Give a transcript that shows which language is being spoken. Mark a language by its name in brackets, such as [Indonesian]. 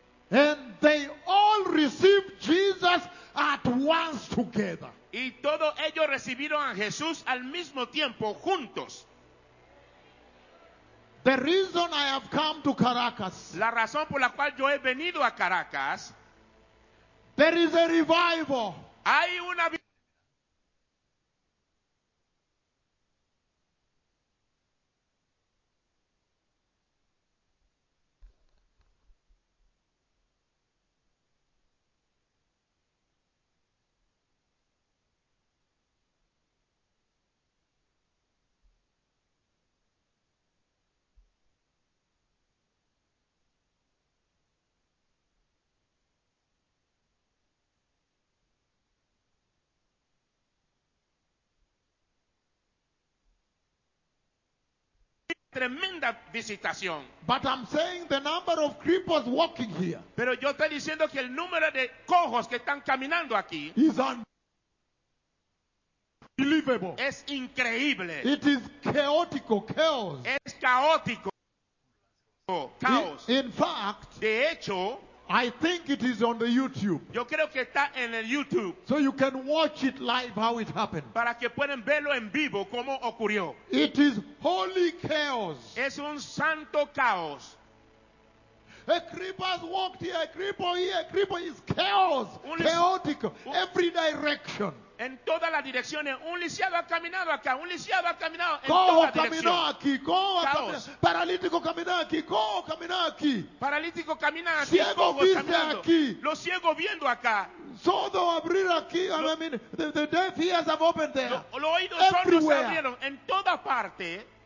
[English] And they all received Jesus at once together. [Spanish] Y todos ellos recibieron a Jesús al mismo tiempo, juntos. [English] The reason I have come to Caracas. [Spanish] La razón por la cual yo he venido a Caracas. [English] There is a revival. [Spanish] Hay una vida. Tremenda visitación. [English] But I'm saying the number of cripples walking here. [Spanish] Pero yo estoy diciendo que el número de cojos que están caminando aquí [English] is unbelievable. [Spanish] Es increíble. [English] It is caótico, chaos. [Spanish] Es caótico. Caos. [English] In fact, [Spanish] de hecho, [English] I think it is on the YouTube. [Spanish] Yo creo que está en el YouTube. [English] So you can watch it live how it happened. [Spanish] Para que puedan verlo en vivo cómo ocurrió. [English] It is holy chaos. [Spanish] Es un santo caos. [English] A creeper has walked here, a creeper is chaos, chaotic, every direction. [Spanish] En todas las direcciones, un lisiado ha caminado acá, un lisiado ha caminado en cojo toda caminó dirección. Aquí, cojo caminó, paralítico caminó aquí, cojo caminó aquí. Paralítico camina aquí, ciego viste aquí. Los ciegos viendo acá. Sordo abrir aquí, [English] the deaf ears have opened there. [Spanish] Los oídos sordos se abrieron en toda parte.